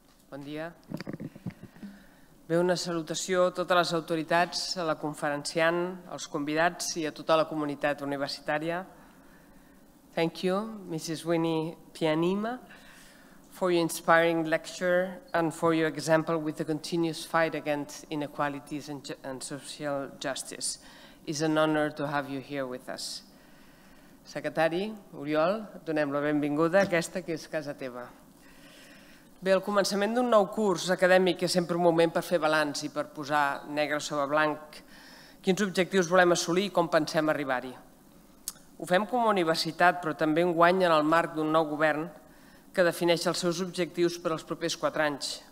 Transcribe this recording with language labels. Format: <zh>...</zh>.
<ca>Bon dia. Bé, una salutació a totes les autoritats, a la conferenciant, als convidats i a tota la comunitat universitària.</ca> <en>Thank you, Mrs. Winnie Byanyima, for your inspiring lecture and for your example with the continuous fight against inequalities and social justice. It's an honor to have you here with us.</en> <ca>Secretari Oriol, donem la benvinguda a aquesta que és casa teva. Bé, el començament d'un nou curs acadèmic és sempre un moment per fer balanç i per posar negre sobre blanc quins objectius volem assolir i com pensem arribar-hi. Ho fem com a universitat, però també enguany en el marc d'un nou govern que defineix els seus objectius per als propers 4 anys.</ca>